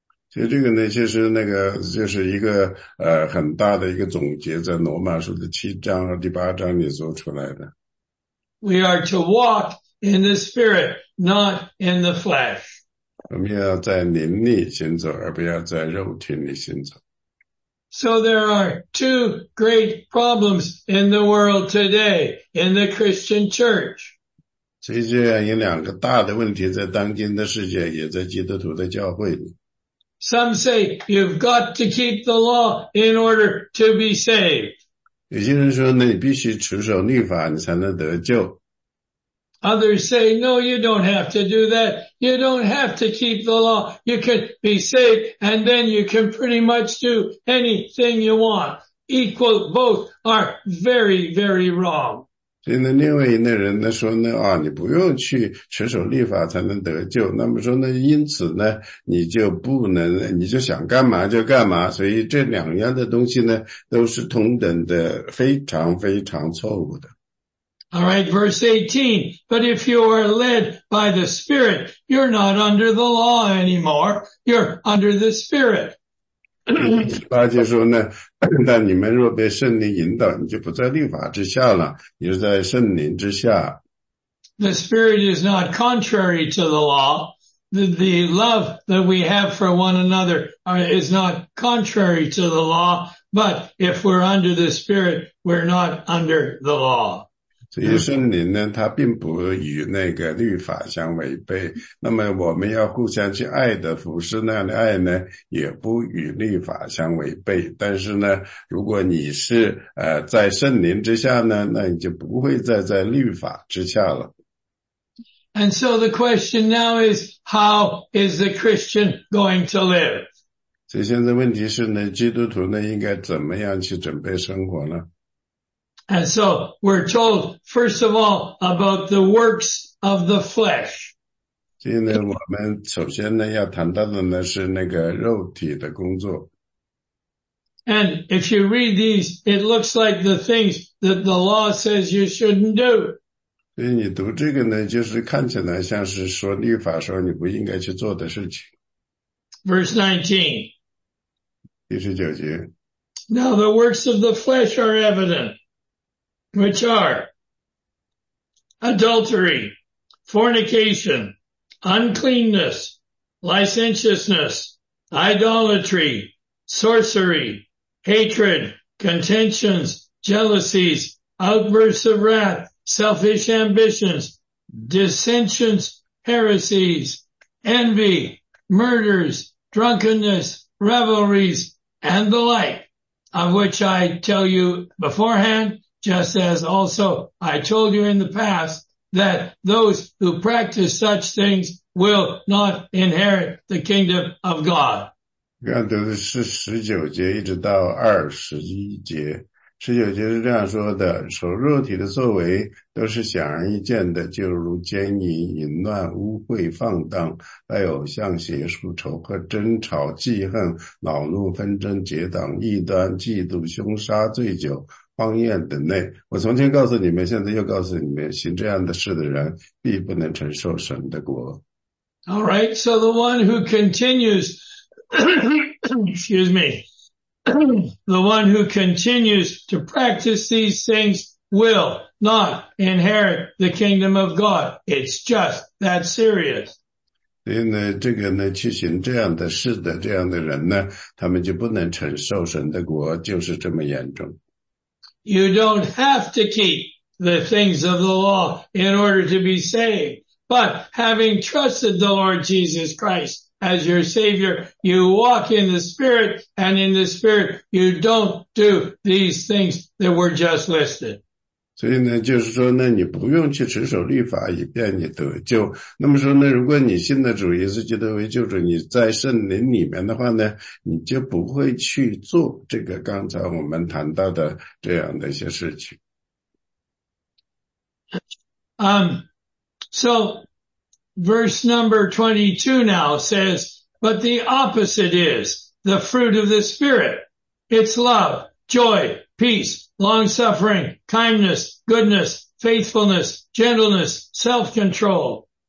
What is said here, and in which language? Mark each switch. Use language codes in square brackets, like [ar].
[zh] 其实这个呢，就是那个，就是一个很大的一个总结，在罗马书的七章和第八章里做出来的。 [en] We are to walk in the spirit, not in the flesh. [zh] 我们要在灵里行走，而不要在肉体里行走。 [en] So there are two great problems in the world today in the Christian church. [zh] 所以这样有两个大的问题在当今的世界，也在基督徒的教会里。 [en] Some say you've got to keep the law in order to be saved. [zh] 有些人说你必须持守律法你才能得救。 [en] Others say, no, you don't have to do that. You don't have to keep the law. You can be saved and then you can pretty much do anything you want. Equal, both are very, very wrong. [zh] 所以呢另外一类人呢说呢啊你不用去持守律法才能得救。那么说呢因此呢你就不能你就想干嘛就干嘛。所以这两样的东西呢都是同等的非常非常错误的。 [en] Alright, verse 18. But if you are led by the Spirit, you're not under the law anymore. You're under the Spirit. [zh] 八节说呢，但你们若被圣灵引导，你就不在律法之下了，你是在圣灵之下。 [en] The Spirit is not contrary to the law. The love that we have for one another is not contrary to the law. But if we're under the Spirit, we're not under the law. [zh] 所以圣灵呢它并不与那个律法相违背那么我们要互相去爱的服侍那样的爱呢也不与律法相违背但是呢如果你是在圣灵之下呢那你就不会再在律法之下了。 [en] And so the question now is, how is the Christian going to live? [zh] 所以现在问题是呢基督徒呢应该怎么样去准备生活呢 [en] And so, we're told, first of all, about the works of the flesh. [zh] 今天我们首先呢要谈到的呢是那个肉体的工作。 [en] And if you read these, it looks like the things that the law says you shouldn't do. [zh] 所以你读这个呢就是看起来像是说律法说你不应该去做的事情。 [en] Verse [zh] 19. 第十九节。 [en] Now the works of the flesh are evident. Which are adultery, fornication, uncleanness, licentiousness, idolatry, sorcery, hatred, contentions, jealousies, outbursts of wrath, selfish ambitions, dissensions, heresies, envy, murders, drunkenness, revelries, and the like, of which I tell you beforehand,Just as also I told you in the past that those who practice such things will not inherit the kingdom of God. [zh] 刚读的是19节一直到21节。 19节是这样说的，所肉体的作为都是显而易见的，就如奸淫、淫乱、污秽、放荡，还有像邪术、仇恨、争吵、记恨、恼怒、纷争、结党、异端、嫉妒、凶杀、醉酒。荒宴等内，我从前告诉你们，现在又告诉你们，行这样的事的人，必不能承受神的国。 [en] All right, so the one who continues, excuse me, the one who continues to practice these things will not inherit the kingdom of God. It's just that serious. [zh] 所以呢这个呢去行这样的事的这样的人呢，他们就不能承受神的国，就是这么严重。 [en] You don't have to keep the things of the law in order to be saved. But having trusted the Lord Jesus Christ as your Savior, you walk in the Spirit, and in the Spirit, you don't do these things that were just listed. [zh] 所以呢就是说呢你不用去持守律法以便你得救。那么说呢如果你信了主耶稣基督为救主，你在圣灵里面的话呢，你就不会去做这个刚才我们谈到的这样的一些事情。 [en] So, verse number 22 now says, But the opposite is the fruit of the Spirit. It's love, joy, peace, long-suffering, kindness, goodness, faithfulness, gentleness, self-control.